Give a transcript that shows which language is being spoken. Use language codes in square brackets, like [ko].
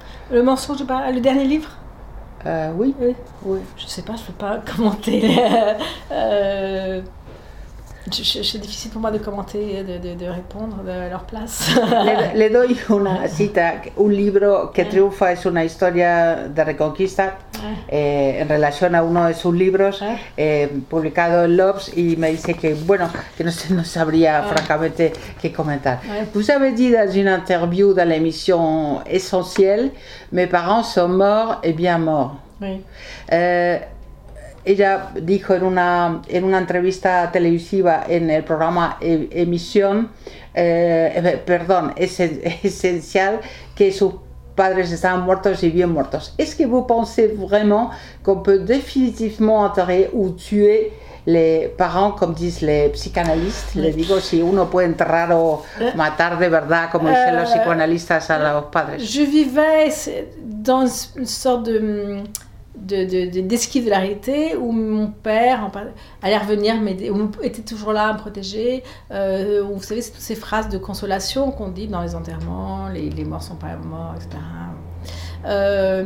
[fr] le mensonge du paradis, le dernier livre. Oui. Je sais pas, je peux pas commenter. C'est difficile pour moi de commenter, de répondre à leur place. [es] Le doy una cita, un libro que triunfa es una historia de reconquista, en relación a uno de sus libros, publicado en Lobbes, y me dice que, bueno, que no sabría francamente qué comentar. [fr] Ouais. Vous avez dit dans une interview dans l'émission Essentielle, mes parents sont morts et bien morts. Oui. [es] Ella dijo en una entrevista televisiva en el programa Emisión, Esencial, que sus padres estaban muertos y bien muertos. [fr] ¿Es que vous pensez vraiment qu'on peut définitivement enterrer ou tuer les parents, comme disent les psychanalystes? [es] Le digo, si uno puede enterrar o matar de verdad, como dicen los psicoanalistas, a los padres. [fr] Je vivais dans une sorte d'esquive de la réalité où mon père allait revenir m'aider, où était toujours là à me protéger, où vous savez, c'est toutes ces phrases de consolation qu'on dit dans les enterrements, les morts sont pas morts, etc.